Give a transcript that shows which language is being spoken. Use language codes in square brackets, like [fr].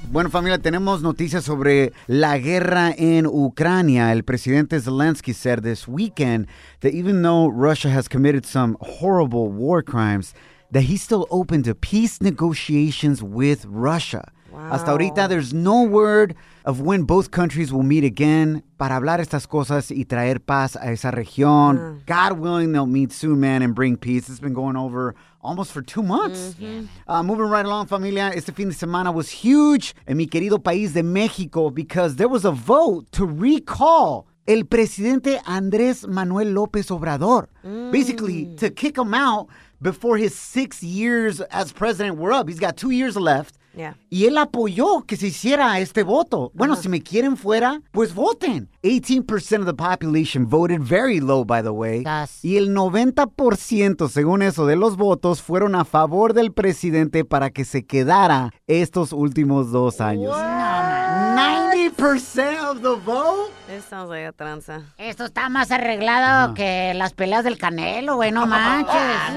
[es] Bueno, familia, tenemos noticias sobre la guerra en Ucrania. El presidente [en] Zelensky said this weekend that even though Russia has committed some horrible war crimes, that he's still open to peace negotiations with Russia. Wow. [es] Hasta ahorita, [en] there's no word of when both countries will meet again [es] para hablar estas cosas y traer paz a esa región. Mm. [en] God willing, they'll meet soon, man, and bring peace. It's been going over almost for 2 months. Mm-hmm. Moving right along, [es] familia, este fin de semana [en] was huge [es] en mi querido país de México [en] because there was a vote to recall [es] el presidente Andrés Manuel López Obrador. Mm. [en] Basically, to kick him out before his 6 years as president were up. He's got 2 years left. Yeah. [es] Y él apoyó que se hiciera este voto. Bueno, si me quieren fuera, pues voten. [en] 18% of the population voted, very low, by the way. Das. [es] Y el 90%, según eso, de los votos fueron a favor del presidente para que se quedara estos últimos 2 años. [en] What? 90% of the vote? This sounds like a tranza. [es] Esto está más arreglado que las peleas del Canelo, güey, no manches.